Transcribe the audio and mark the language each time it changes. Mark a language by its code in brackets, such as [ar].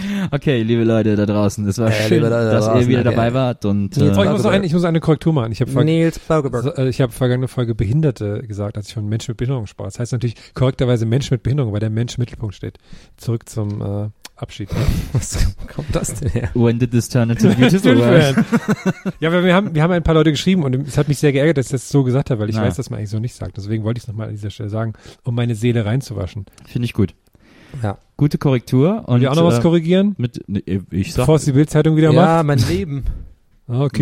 [de] Okay, liebe Leute da draußen, es war schön, Leute, dass draußen, ihr wieder dabei wart. Und, ich muss eine Korrektur machen. Nils Plaugeberg. Ich habe vergangene Folge Behinderte gesagt, als ich von Menschen mit Behinderung sprach. Das heißt natürlich korrekterweise Menschen mit Behinderung, weil der Mensch im Mittelpunkt steht. Zurück zum Abschied. Ne? Was kommt das denn her? [en] When did this turn into beautiful world? [de] Ja, wir haben ein paar Leute geschrieben und es hat mich sehr geärgert, dass ich das so gesagt habe, weil ich weiß, dass man eigentlich so nicht sagt. Deswegen wollte ich es nochmal an dieser Stelle sagen, um meine Seele reinzuwaschen. Finde ich gut. Ja. Gute Korrektur. Und wir auch noch was korrigieren? Bevor es die Bildzeitung wieder macht? Ja, mein Leben. Okay.